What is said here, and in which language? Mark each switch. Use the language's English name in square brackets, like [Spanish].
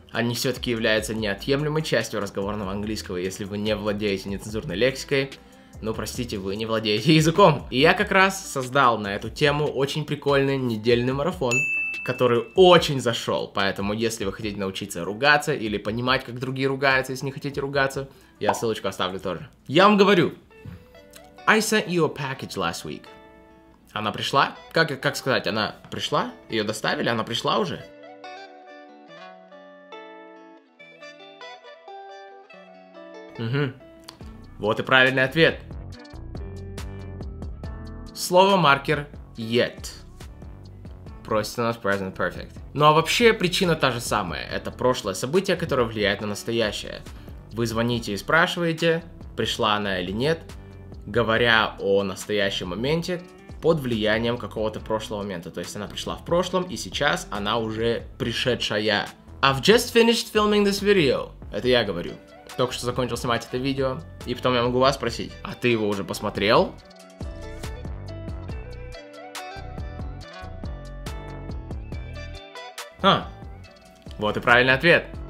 [Russian] Они все-таки являются неотъемлемой частью разговорного английского, если вы не владеете нецензурной лексикой. Ну, простите, вы не владеете языком. И я как раз создал на эту тему очень прикольный недельный марафон, который очень зашел, поэтому если вы хотите научиться ругаться или понимать, как другие ругаются, если не хотите ругаться, я ссылочку оставлю тоже. Я вам говорю. [English] I sent you a package last week. [Russian] Она пришла? Как сказать, она пришла? Ее доставили? Она пришла уже? Угу. Вот и правильный ответ. Слово-маркер yet. Просит у нас present perfect. Ну а вообще причина та же самая. Это прошлое событие, которое влияет на настоящее. Вы звоните и спрашиваете, пришла она или нет, говоря о настоящем моменте под влиянием какого-то прошлого момента. То есть она пришла в прошлом, и сейчас она уже пришедшая. [English] I've just finished filming this video. [Russian] Это я говорю. Только что закончил снимать это видео, и потом я могу вас спросить, а ты его уже посмотрел? А, вот и правильный ответ.